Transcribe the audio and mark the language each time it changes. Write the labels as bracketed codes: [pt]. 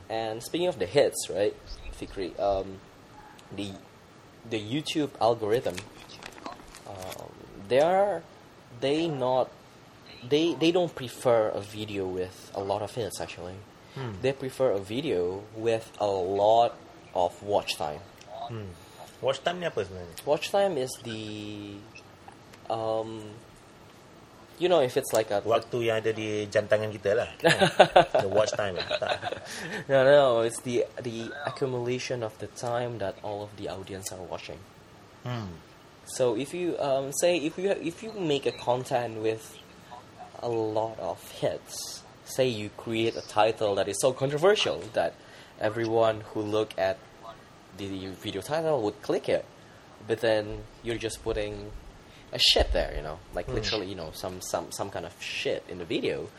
[en] And speaking of the hits, right, Fikri, the YouTube algorithm, they don't prefer a video with a lot of hits, actually. Hmm. They prefer a video with a lot of watch time. Hmm. [ms] Watch time ni apa sebenarnya? [en] Watch time is the... you know, if it's like a... [ms] Waktu yang ada di jantangan kita lah. [en] The watch time. No, no, it's the accumulation of the time that all of the audience are watching. Hmm. So if you say if you make a content with a lot of hits, say you create a title that is so controversial that everyone who look at the video title would click it, but then you're just putting a shit there, you know, like literally, you know, some kind of shit in the video.